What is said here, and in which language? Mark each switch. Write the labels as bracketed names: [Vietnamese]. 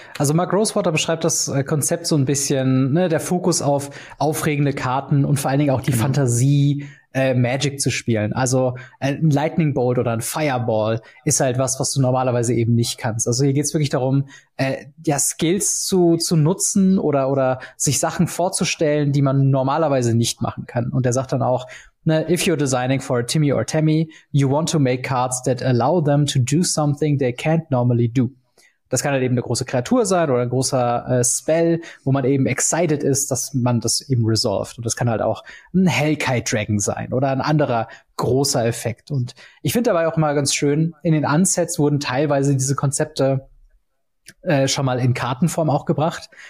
[German] Also Mark Rosewater beschreibt das Konzept so ein bisschen, ne, der Fokus auf aufregende Karten und vor allen Dingen auch die Fantasie, Magic zu spielen. Also ein Lightning Bolt oder ein Fireball ist halt was du normalerweise eben nicht kannst. Also hier geht's wirklich darum, Skills zu nutzen oder sich Sachen vorzustellen, die man normalerweise nicht machen kann. Und er sagt dann auch, ne, [English] if you're designing for a Timmy or Tammy, you want to make cards that allow them to do something they can't normally do. [German] Das kann halt eben eine große Kreatur sein oder ein großer Spell, wo man eben excited ist, dass man das eben resolved. Und das kann halt auch ein Hellkite Dragon sein oder ein anderer großer Effekt. Und ich finde dabei auch mal ganz schön, in den Unsets wurden teilweise diese Konzepte schon mal in Kartenform auch gebracht.